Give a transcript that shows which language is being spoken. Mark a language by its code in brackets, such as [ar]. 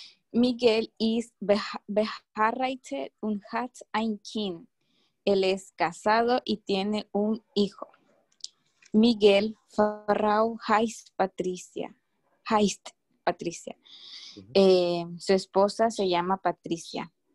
[de] Miguel is beheiratet und hat ein Kind. [es] Él es casado y tiene un hijo. [de] Miguel Frau heißt Patricia. Uh-huh. [es] Su esposa se llama Patricia.